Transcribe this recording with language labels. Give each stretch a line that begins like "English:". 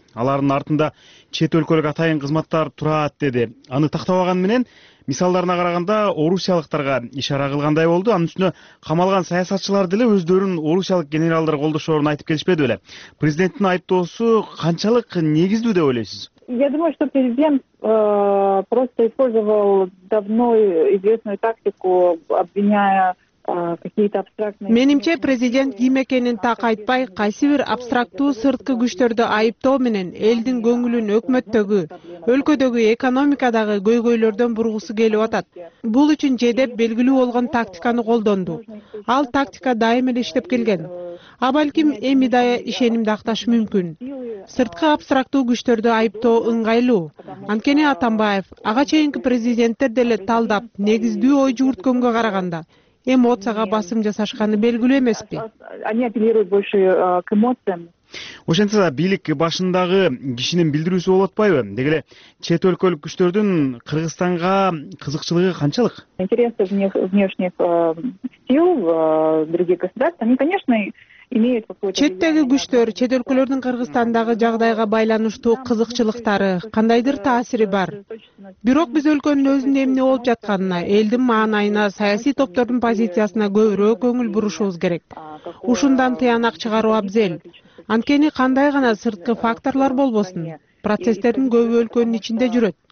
Kyrgyz: Алардын артында чет өлкөлүк атайын кызматтар турат деди. Аны тактабаган менен мисалдарына караганда орусиялыктарга ишара кылгандай болду. Анын үстүнө камалган саясатчылар деле өздөрүн орусиялык генералдар колдошорун айтып келишпеди беле? Президенттин айыптоосу канчалык негиздүү деп ойлойсуз?
Russian: Я думаю, что президент просто использовал давно известную тактику, обвиняя какие-то абстрактные...
Kyrgyz: Менимче, президент ким экенин так айтпай, кайсы бир абстрактуу сырткы күчтөрдү айыптоо менен элдин көңүлүн өкмөттөгү, өлкөдөгү экономикадагы көйгөйлөрдөн бургусу келип атат. Бул үчүн жедеп белгилүү болгон тактиканы колдонду. Ал тактика дайым эле иштеп келген. А балким эми да ишенимди акташ мүмкүн. Сырткы абстрактуу күчтөрдү айыптоо ыңгайлуу. Анткени Атамбаев ага чейинки президенттер деле талдап негиздүү ой жүгүрткөнгө караганда эмоцияга басым жасашканы белгилүү эмеспи?
Russian: Они апеллируют больше к эмоциям.
Kyrgyz: Ошентсе да бийлик башындагы кишинин билдирүүсү болуп атпайбы? Деги эле чет өлкөлүк күчтөрдүн Кыргызстанга кызыкчылыгы канчалык?
Russian: Интересы внешних сил в других государств, они, конечно, имеют какое-то...
Kyrgyz: Четтеги күчтөр, чет өлкөлөрдүн Кыргызстандагы жагдайга байланыштуу кызыкчылыктары, кандайдыр таасири бар. Бирок биз өлкөнүн өзүндө эмне болуп жатканына, элдин маанайына, саясий топтордун позициясына көбүрөөк көңүл бурушубуз керек. Ушундан тыянак чыгаруу абзел. Анткени кандай гана сырткы факторлор болбосун, процесстердин көбү өлкөнүн ичинде жүрөт.